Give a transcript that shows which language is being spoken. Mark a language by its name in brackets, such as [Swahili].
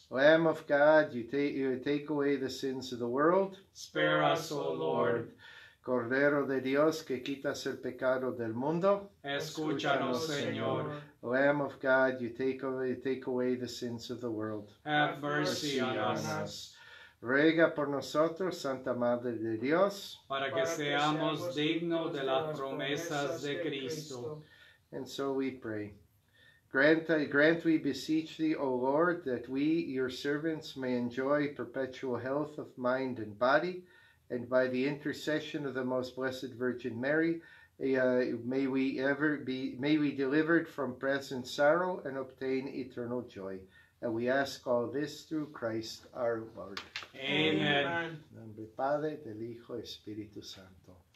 [English] Lamb of God, you take away the sins of the world, spare us, O Lord. [Spanish] Cordero de Dios, que quitas el pecado del mundo, escúchanos, Señor. [English] Lamb of God, you take away the sins of the world, have mercy on us. [Spanish] Ruega por nosotros, Santa Madre de Dios, para que seamos dignos de las promesas de Cristo. [English] And so we pray. Grant we beseech thee, O Lord, that we, your servants, may enjoy perpetual health of mind and body, and by the intercession of the Most Blessed Virgin Mary, may we delivered from present sorrow and obtain eternal joy. And we ask all this through Christ our Lord. Amen. [Spanish] En nombre del Padre, del Hijo, Espíritu Santo.